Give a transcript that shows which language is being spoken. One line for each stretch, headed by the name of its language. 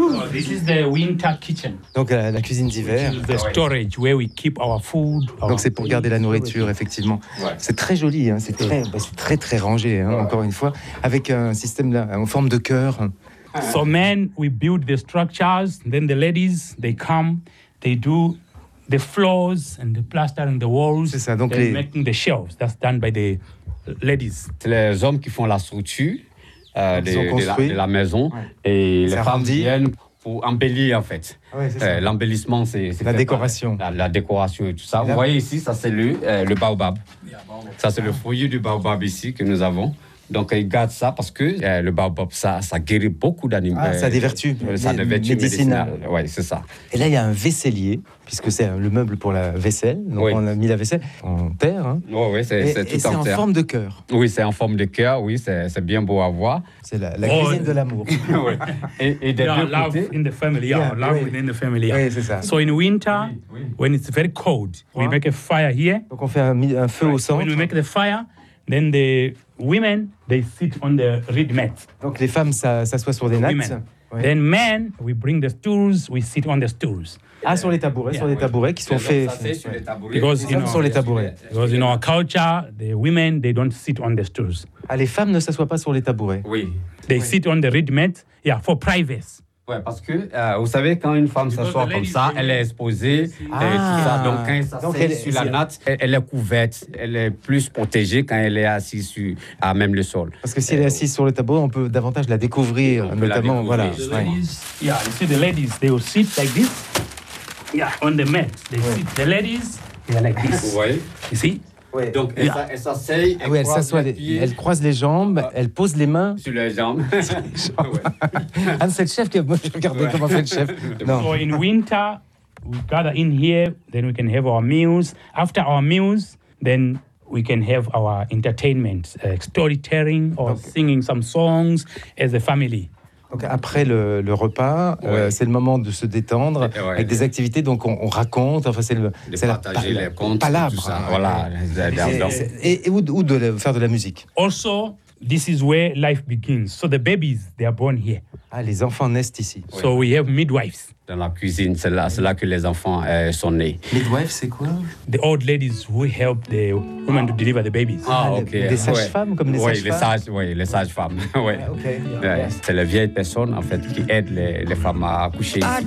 English: This is the winter kitchen.
French: Donc, la cuisine d'hiver.
English: The storage, where we keep our food.
French: Donc, c'est pour garder la nourriture, effectivement. Ouais. C'est très joli, hein. c'est très rangé, hein, ouais. Encore une fois, avec un système en forme de cœur.
English: So men, we build the structures, then the ladies, they come, they do the floors and the plaster and the walls.
French: C'est ça, donc
English: they're making the shelves, that's done by the ladies.
French: C'est les hommes qui font la structure de la maison, ouais. Et c'est les femmes viennent pour embellir, en fait. Ouais, c'est ça. L'embellissement, c'est la décoration. La décoration et tout ça. Vous voyez ici, ça c'est le baobab. Ça c'est le foyer du baobab ici que nous avons. Donc, ils gardent ça parce que le baobab, ça guérit beaucoup d'animaux. Ah, ça a des vertus. Ça a des vertus médicinales. Oui, c'est ça. Et là, il y a un vaisselier, puisque c'est le meuble pour la vaisselle. Donc, oui. On a mis la vaisselle en terre. Hein. Oui, oui, c'est tout en terre. Et c'est en forme de cœur. Oui, c'est en forme de cœur. Oui, c'est bien beau à voir. C'est la cuisine de l'amour. Oui. Et d'être côté.
English: Love in the family. Within the family.
French: Oui, c'est ça.
English: So, in winter, when it's very cold, we make a fire here.
French: Donc, on fait un feu au centre.
English: When we make the fire, then the women, they sit on the reed mats.
French: Donc les femmes s'assoient sur des nattes.
English: Ouais. Then men, we bring the stools, we sit on the stools.
French: Ah, sur les tabourets, sur les tabourets qui sont faits. Sur les tabourets.
English: Because in our culture, the women, they don't sit on the stools.
French: Ah, les femmes ne s'assoient pas sur les tabourets. Oui.
English: They sit on the reed mats, for privacy.
French: Ouais, parce que vous savez, quand une femme s'assoit comme ça, elle est exposée et tout ça. Donc, quand elle s'assoit sur la natte, elle est couverte. Elle est plus protégée quand elle est assise sur même le sol. Parce que si elle est assise sur le tabouret, on peut davantage la découvrir, notamment. La découvrir. Voilà.
English: The ladies, you see the ladies, they will sit like this. Yeah, on the mat. They sit. The ladies, they are like this.
French: Vous voyez?
English: You see?
French: Ouais. Donc, elle s'asseye, elle croise les jambes, elle pose les mains. Sur les jambes. Ouais. Ah, c'est le chef qui a regardé comment fait le chef. Non.
English: So, in winter, we gather in here, then we can have our meals. After our meals, then we can have our entertainment, storytelling or singing some songs as a family.
French: Donc après le repas, c'est le moment de se détendre avec des activités. Donc on raconte, enfin c'est partager les contes, palabre, tout ça. Voilà. Et où de faire de la musique.
English: Also, this is where life begins. So the babies, they are born here.
French: Ah, les enfants naissent ici.
English: Oui. So we have midwives.
French: Dans la cuisine, c'est là que les enfants sont nés. Midwives, c'est quoi?
English: The old ladies who help the women to deliver the babies.
French: Ah, ok. Des sages-femmes, comme des sages-femmes. Oui, les sages-femmes. Oui. Ok.
English: Yeah.
French: C'est les vieilles personnes en fait qui aident les femmes à accoucher.